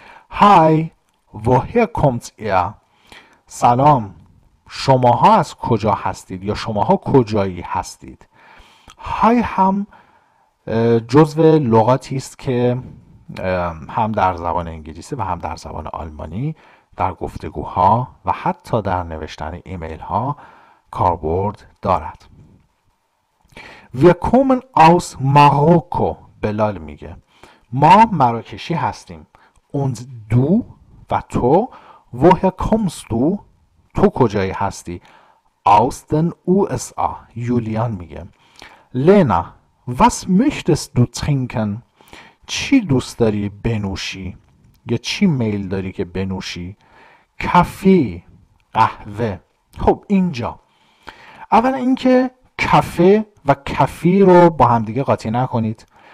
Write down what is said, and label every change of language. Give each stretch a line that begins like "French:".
German: های، وهر کومت ایر؟
Persian: سلام، شماها از کجا هستید یا شماها کجایی هستید؟ های هم جزو لغاتی است که هم در زبان انگلیسی و هم در زبان آلمانی در گفتگوها و حتی در نوشتن ایمیل ها کاربرد دارد.
German: Wir kommen aus Marokko.
Persian: بلال میگه ما مراکشی هستیم.
German: Und du
Persian: و تو.
German: Woher kommst du؟
Persian: تو کجایی هستی؟
German: Aus den USA.
Persian: یولیان میگه.
German: Lena, was möchtest du trinken؟
Persian: چی دوست داری بنوشی؟ یا چی میل داری که بنوشی؟ کافی، قهوه. خب اینجا اول اینکه کافه و کافی رو با هم دیگه قاطی نکنید.